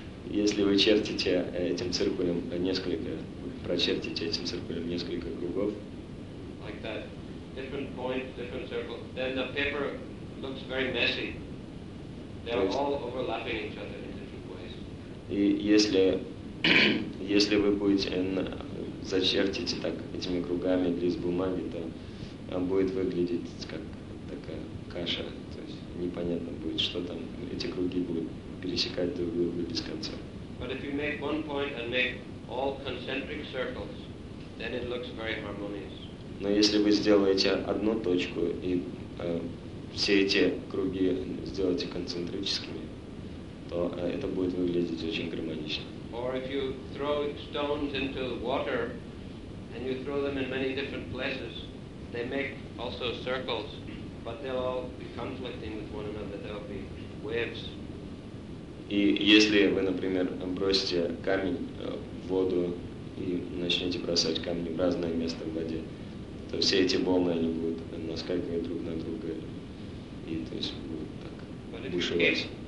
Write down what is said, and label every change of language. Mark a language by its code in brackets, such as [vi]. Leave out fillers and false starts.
[ru] Если вы чертите этим циркулем несколько... Прочертите этим циркулем несколько кругов, [en] that different points, different circles, then the paper looks very messy. They're all overlapping each other in different ways. [ru] И если вы будете зачертите так этими кругами лист бумаги, то будет выглядеть как такая каша. То есть непонятно будет, что там эти круги будут пересекать друг друга без конца. [en] But if you make one point and make all concentric circles, then it looks very harmonious. [ru] Но если вы сделаете одну точку и все эти круги сделаете концентрическими, то это будет выглядеть очень гармонично. [en] Or if you throw stones into water and you throw them in many different places, they make also circles, but they'll all be conflicting with one another. There'll be waves. [ru] И если вы, например, бросите камень в воду и начнете бросать камни в разное место в воде, то все эти волны, они будут наскакивать друг на друга, и то есть будут так